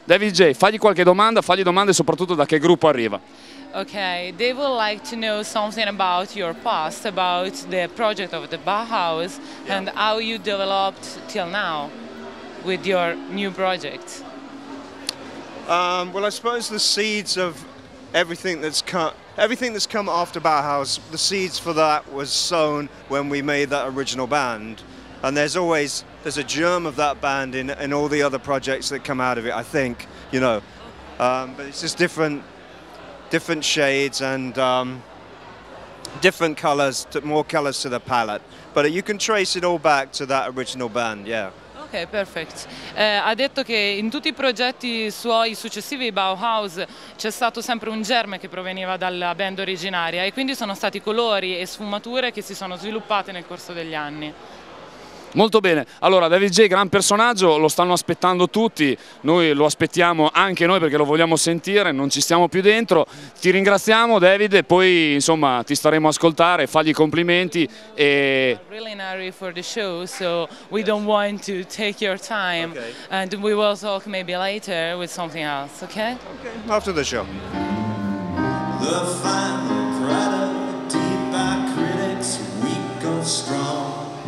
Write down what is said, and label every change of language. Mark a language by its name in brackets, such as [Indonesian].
[Italian] David J, fagli qualche domanda, fagli domande soprattutto da che gruppo arriva. [English] Ok, they would like to know something about your past, about the project of the Bauhaus and how you developed till now with your new project. Well, I suppose the seeds of everything that's come after Bauhaus, the seeds for that was sown when we made that original band, and there's a germ of that band in all the other projects that come out of it, I think, you know. But it's just different shades and different colors, more colors to the palette. But you can trace it all back to that original band, yeah. Ok, perfect. [Italian] Ha detto che in tutti i progetti suoi successivi Bauhaus c'è stato sempre un germe che proveniva dalla band originaria e quindi sono stati colori e sfumature che si sono sviluppate nel corso degli anni. Molto bene, allora David J, gran personaggio, lo stanno aspettando tutti, noi lo aspettiamo anche noi perché lo vogliamo sentire, non ci stiamo più dentro, ti ringraziamo David e poi insomma ti staremo a ascoltare, fagli i complimenti e... [English] Really in a hurry for the show, so we don't want to take your time, okay. And we will talk maybe later with something else, okay? Okay, after the show. The final product, deep by critics, we go strong.